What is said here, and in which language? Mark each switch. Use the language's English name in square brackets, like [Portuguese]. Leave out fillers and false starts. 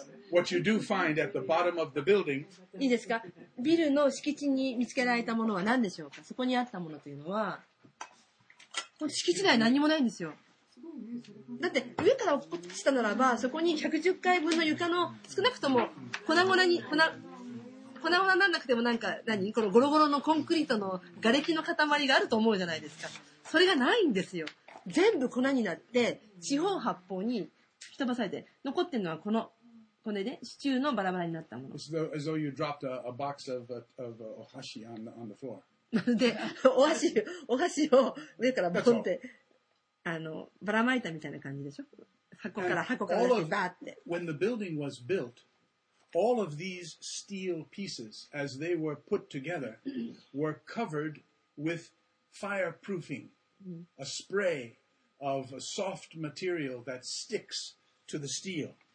[English] What you do find at the bottom of the building? [Japanese] いいですか？ビルの敷地に見つけられたものは何でしょうか？そこにあったものというのは、この敷地内何もないんですよ。だって上から落ちたならばそこに110階分の床の少なくとも粉々になんなくても、なんか何このゴロゴロのコンクリートの瓦礫の塊があると思うじゃないですか。それがないんですよ。全部粉になって四方八方に吹き飛ばされて、残ってるのはこの骨で、ね、支柱のバラバラになったもの。 [English] It's as though you dropped a box of お箸 on the floor. [Japanese] でお箸を上からボンってあのばらまいたみたいな感じでしょ。箱から出してバーって。 [English] When the building was built, all of these steel pieces, as they were put together, were covered with fireproofing, a spray of a soft material that sticks to the steel.